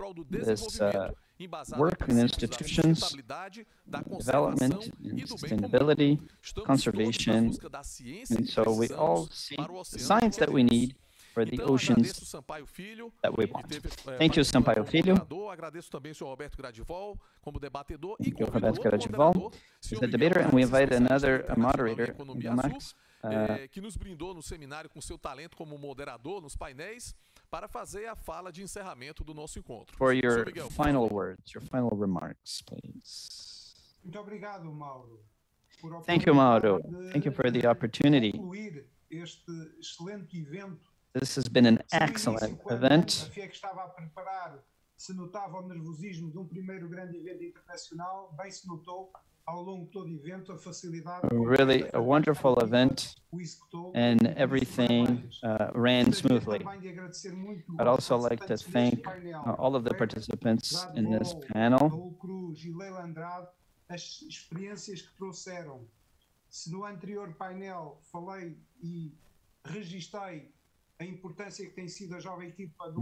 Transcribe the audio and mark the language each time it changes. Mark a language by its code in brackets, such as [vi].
[en] this work in institutions, development and sustainability, conservation, and so we all see the science that we need for the oceans that we want. Thank you, Sampaio Filho. Thank you, Roberto Gradivol, as a debater, and we invite another moderator, Max, [pt] que nos brindou no seminário com seu talento como moderador nos painéis, para fazer a fala de encerramento do nosso encontro. [en] For your Miguel, final words, your final remarks, please. [pt] Muito obrigado, Mauro. [en] Thank you, Mauro. Thank you for the opportunity. [pt] Este excelente evento. [en] This has been an excellent event. [pt] Eu estava a preparar, se notava o nervosismo de um primeiro grande evento internacional, bem se notou ao longo de todo o evento a facilidade. [en] Really a wonderful event. And everything ran smoothly. I'd also like to thank all of the participants in this panel. [pt] Raul Cruz e Leila Andrade, as experiências que trouxeram. Se no anterior painel falei e registrei a importância que tem sido a jovem equipa do